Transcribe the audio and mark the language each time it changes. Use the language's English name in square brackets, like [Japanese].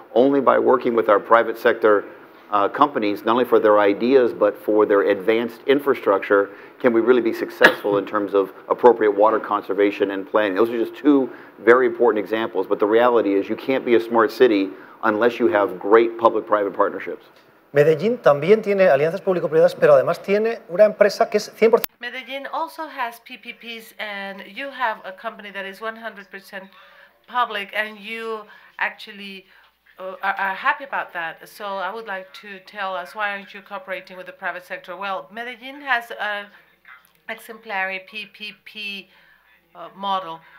[English] Only by working with our private sector companies, not only for their ideas, but for their advanced infrastructure, can we really be successful in terms of appropriate water conservation and planning. Those are just two very important examples. But the reality is you can't be a smart city unless you have great public-private partnerships. [Spanish] Medellín también tiene alianzas público-privadas, pero además tiene una empresa que es 100%. [English] Medellín also has PPPs, and you have a company that is 100% public, and you actually are happy about that. So I would like to tell us, why aren't you cooperating with the private sector? Well, Medellín has an exemplary PPP model.